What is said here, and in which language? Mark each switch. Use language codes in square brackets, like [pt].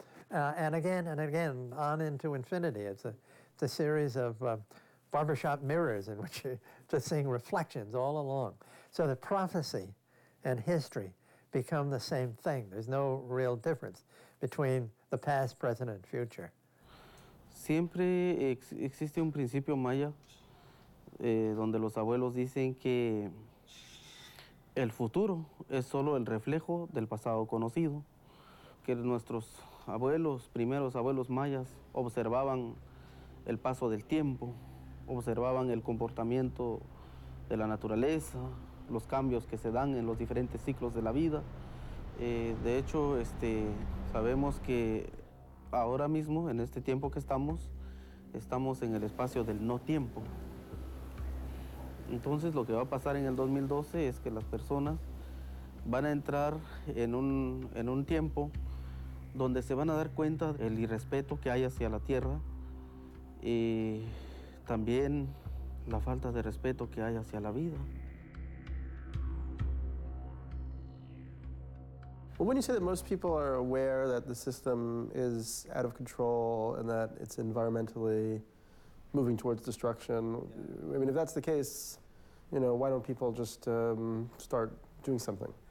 [en] And again, on into infinity. It's a series of barbershop mirrors in which you're just seeing reflections all along. So the prophecy and history become the same thing. There's no real difference between the past, present, and future. [es] Siempre existe un principio maya donde los abuelos dicen que el futuro es solo el reflejo del pasado conocido, que nuestros abuelos, primeros abuelos mayas, observaban el paso del tiempo, observaban el comportamiento de la naturaleza, los cambios que se dan en los diferentes ciclos de la vida. De hecho, sabemos que ahora mismo, en este tiempo que estamos en el espacio del no tiempo. Entonces, lo que va a pasar en el 2012 es que las personas van a entrar en un tiempo donde se van a dar cuenta del irrespeto que hay hacia la Tierra y también la falta de respeto que hay hacia la vida. [en] Well, when you say that most people are aware that the system is out of control and that it's environmentally moving towards destruction, yeah. I mean, if that's the case, you know, why don't people just start doing something?